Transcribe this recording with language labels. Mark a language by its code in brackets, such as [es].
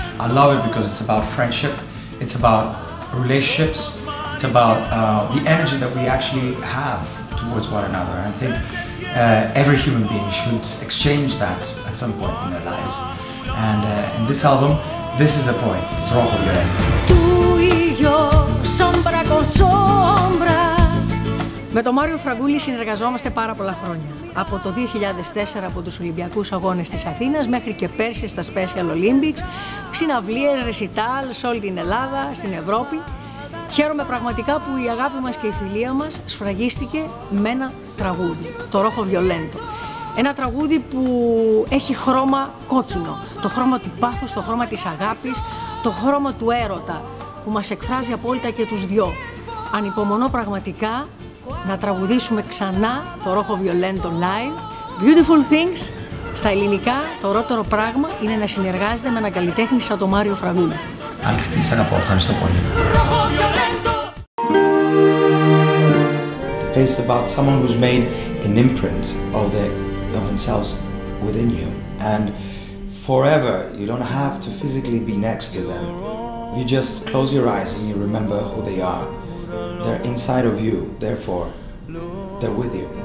[en] I love it because it's about friendship, it's about relationships, it's about the energy that we actually have towards one another. I think every human being should exchange that at some point in their lives. And in this album, this is the point. It's rojo violento. [es] Tu y yo, sombra con sombra. [el] Με τον Μάριο Φραγκούλη συνεργαζόμαστε πάρα πολλά χρόνια. Από το 2004 από τους Ολυμπιακούς Αγώνες της Αθήνας μέχρι και πέρσι στα Special Olympics, συναυλίες, ρεσιτάλ σε όλη την Ελλάδα, στην Ευρώπη. Χαίρομαι πραγματικά που η αγάπη μας και η φιλία μας σφραγίστηκε με ένα τραγούδι, το Ρόχο Βιολέντο. Ένα τραγούδι που έχει χρώμα κόκκινο, το χρώμα του πάθους, το χρώμα της αγάπης, το χρώμα του έρωτα που μας εκφράζει απόλυτα και τους δυο. Ανυπομονώ πραγματικά να τραγουδήσουμε ξανά το Ρόχο Βιολέντο live. Beautiful Things, στα ελληνικά, το ωραίτερο πράγμα είναι να συνεργάζεται με έναν καλλιτέχνη σαν τον Μάριο Φραγκούλη. Άλκιστη, σ' αγαπώ, ευχαριστώ πολύ. [en] It's about someone who's made an imprint of themselves within you, and forever you don't have to physically be next to them. You just close your eyes and you remember who they are. They're inside of you, therefore, they're with you.